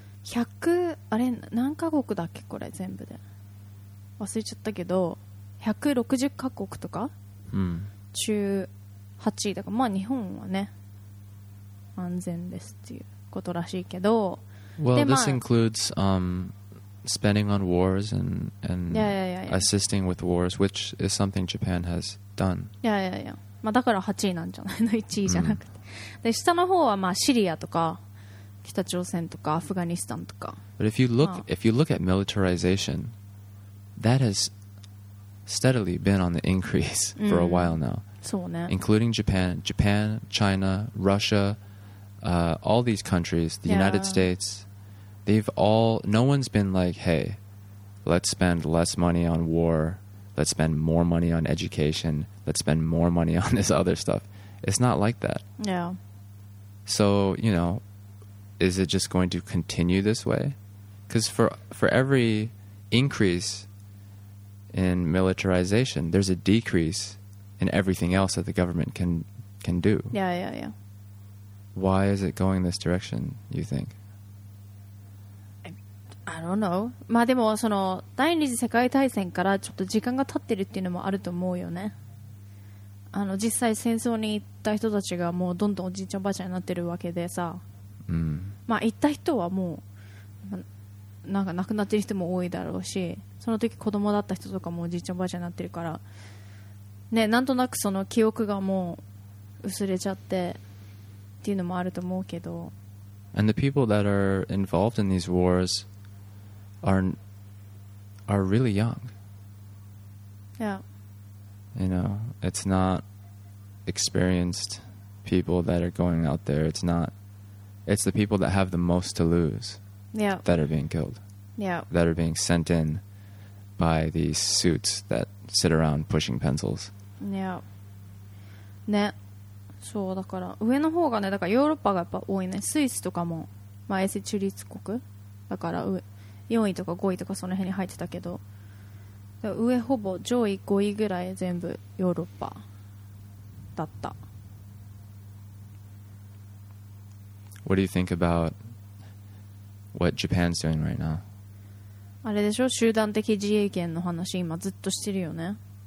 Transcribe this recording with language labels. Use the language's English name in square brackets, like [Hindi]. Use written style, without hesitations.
[Japanese] 100あれ何カ国だっけこれ全部で忘れちゃったけど160カ国とか、うん、中8位だから、まあ日本はね安全ですっていうことらしいけど、 [English] Well, [Japanese] まあ、 [English] this includes spending on wars and yeah. assisting with wars, which is something Japan has done. Yeah. [Japanese] まあだから8位なんじゃないの、1位じゃなくて。で下の方はまあシリアとか北朝鮮とかアフガニスタンとか。 [English] But if you look, if you look at militarization, that has steadily been on the increase for a while now. [Japanese] そうね。 [English] Including Japan, Japan, China, Russia. All these countries, the United States, they've all, no one's been like, hey, let's spend less money on war, let's spend more money on education, let's spend more money on this other stuff. It's not like that. Yeah. So, you know, is it just going to continue this way? Because for every increase in militarization, there's a decrease in everything else that the government can do. Yeah. Why is it going this direction, you think? I don't know. [Japanese] まあでもその第二次世界大戦からちょっと時間が経ってるっていうのもあると思うよね。あの実際戦争に行った人たちがもうどんどんおじいちゃんおばあちゃんになってるわけでさ。まあ行った人はもうなんか亡くなってる人も多いだろうし、その時子供だった人とかもおじいちゃんおばあちゃんになってるから、ね、なんとなくその記憶がもう薄れちゃって。 [English] And the people that are involved in these wars are really young. Yeah. You know, it's not experienced people that are going out there. It's not. It's the people that have the most to lose. Yeah. That are being killed. Yeah. That are being sent in by these suits that sit around pushing pencils. Yeah. ね。 [Japanese] そうだから上の方がねだからヨーロッパがやっぱ多いね。スイスとかも衛星中立国だから上4位とか5位とかその辺に入ってたけど、上ほぼ上位5位ぐらい全部ヨーロッパだった。 [English] What do you think about what Japan's doing right now? [Japanese] あれでしょ、集団的自衛権の話今ずっとしてるよね。